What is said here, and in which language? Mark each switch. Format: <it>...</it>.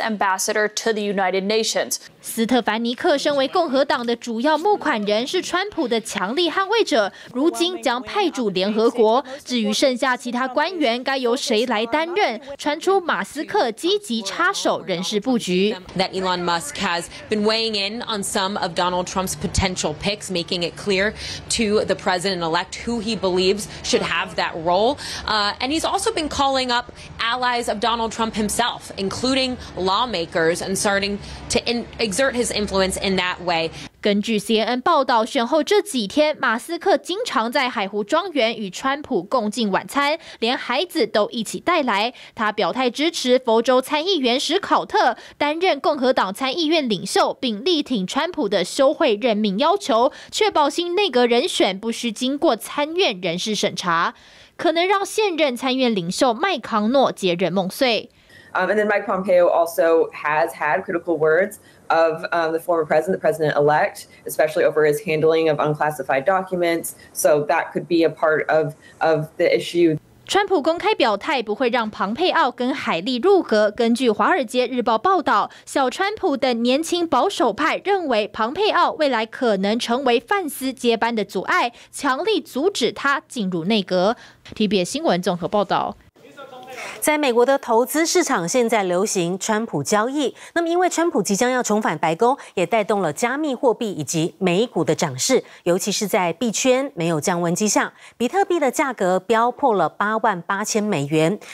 <en>Ambassador to the United Nations。</en> <zh>斯特凡尼克身为共和党的主要募款人，是川普的强力捍卫者，如今将派驻联合国。至于剩下其他官员该由谁来担任，传出马斯克积极插手。人事布局</zh> <en>that Elon Musk has been weighing in on some of Donald Trump's potential picks, making it clear to the president-elect who he believes should have that role. And he's also been calling up allies of Donald Trump himself, including lawmakers, and starting to exert his influence in that way.</en> <zh>根据 CNN 报道，选后这几天，马斯克经常在海湖庄园与川普共进晚餐，连孩子都一起带来。他表态支持佛州参议员史考特担任共和党参议院领袖，并力挺川普的休会任命要求，确保新内阁人选不需经过参院人事审查，可能让现任参院领袖麦康诺接任梦碎。</zh> <en>And then Mike Pompeo also has had critical words of the former president, the president-elect, especially over his handling of unclassified documents. So that could be a part of the issue.</en> <zh>川普公开表态不会让庞佩奥跟海莉入阁。根据《华尔街日报》报道，小川普等年轻保守派认为庞佩奥未来可能成为范斯接班的阻碍，强力阻止他进入内阁。 TVBS 新闻综合报道。在美国的投资市场现在流行川普交易，那么因为川普即将要重返白宫，也带动了加密货币以及美股的涨势，尤其是在币圈没有降温迹象，比特币的价格飙破了88,000美元。</zh>